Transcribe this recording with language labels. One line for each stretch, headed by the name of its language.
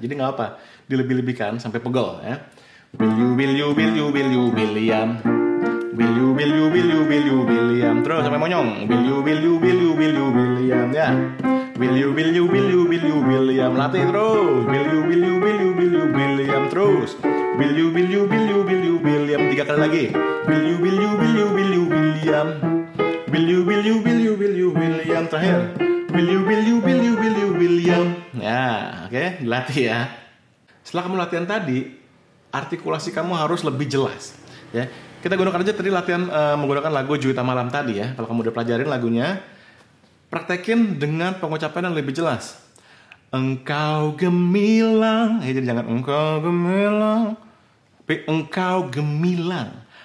Indonesian: Jadi nggak apa dilebih-lebihkan sampai pegel ya.
English: Will you, will you, will you, will you, William. Will you, will you, will you, will you, William.
Indonesian: Terus sampai monyong.
English: Will you, will you, will you, will you, William ya. Will you, will you, will you, will you, William.
Indonesian: Latih terus.
English: Will you, will you, will you, will you, William.
Indonesian: Terus.
English: Will you, will you, will you, will you, William.
Indonesian: 3 tiga kali lagi.
English: Will you, will you, will you, will you, William. Will you, will you, will you, will you, William.
Indonesian: Terakhir.
English: Will you, will you, will you, will you, William.
Indonesian: Ya, oke, dilatih ya. Setelah kamu latihan tadi, artikulasi kamu harus lebih jelas. Ya, kita gunakan aja tadi latihan menggunakan lagu Juwita Malam tadi ya. Kalau kamu udah pelajarin lagunya, praktekin dengan pengucapan yang lebih jelas. Engkau gemilang, ya, jadi jangan engkau gemilang, tapi engkau gemilang.